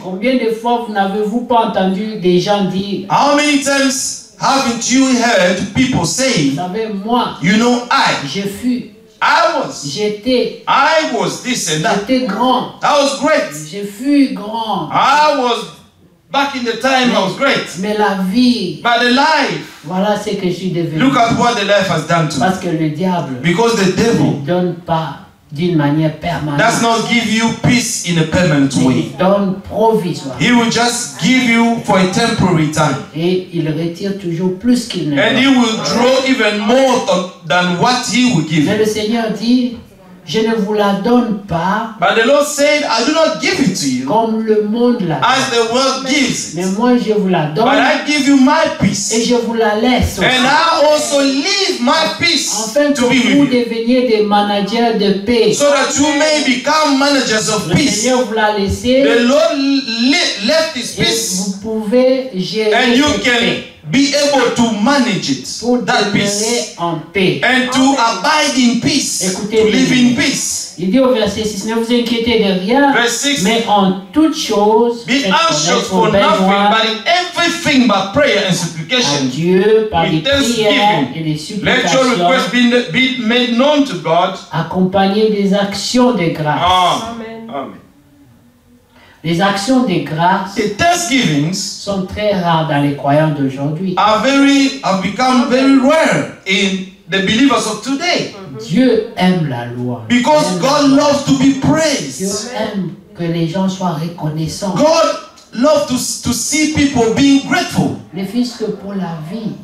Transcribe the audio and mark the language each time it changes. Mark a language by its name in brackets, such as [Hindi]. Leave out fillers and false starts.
[French] Combien de fois vous n'avez-vous pas entendu des gens dire [English] how many times haven't you heard people saying, [French] vous savez, moi, [English] you know, I, [French] je fus, [English] I was, [French] j'étais, [English] I was this and that, [French] j'étais grand, [English] I was great, [French] je fus grand, [English] I was, back in the time, [French] mais, [English] I was great, [French] mais la vie, [English] but the life, [French] voilà ce que je suis devenu. [English] Look at what the life has done to me, [French] parce que le diable, [English] because the devil, [French] ne donne pas d'une manière permanente, [English] does not give you peace in a permanent way. [French] Donne provisoire. [English] He will just give you for a temporary time. [French] Et il retire toujours plus qu'il ne. [English] And he will draw even more than what he will give. [French] Mais le Seigneur dit, je ne vous la donne pas. [English] But the Lord said, I do not give it to you. [French] Comme le monde la donne. [English] As the world gives. [French] Mais moi je vous la donne. [English] But I give you my peace. [French] Et je vous la laisse. Aussi. [English] And I also leave my peace [French] enfin, [English] to be with you. [French] Vous deveniez des managers de paix. [English] So that you may become managers of [French] le [English] peace. [French] Le Seigneur vous l'a laissé. [English] The Lord left his peace. [French] Et vous pouvez gérer. [English] And you can [French] paix. [English] Be able to manage it. [French] Pour [English] that peace. [French] En paix. [English] And to Amen. Abide in peace. [French] Écoutez, [English] to live in peace. [French] Il dit au verset 6, ne vous inquiétez de rien, [English] six, [French] mais en toute chose, [English] be anxious for nothing, but in everything but prayer and supplication. [French] À Dieu, par des prières et des supplications. [English] Let your request be made known to God. [French] Accompagné des actions de grâce. [English] Amen. Amen. [French] Les actions de grâce sont très rares dans les croyants d'aujourd'hui. [English] Have become very rare in the believers of today. [French] Dieu aime la loi. [English] Because God loves to be praised. [French] Dieu aime que les gens soient reconnaissants. [English] God loves to see people being grateful. [French] Ne fût-ce que pour la vie.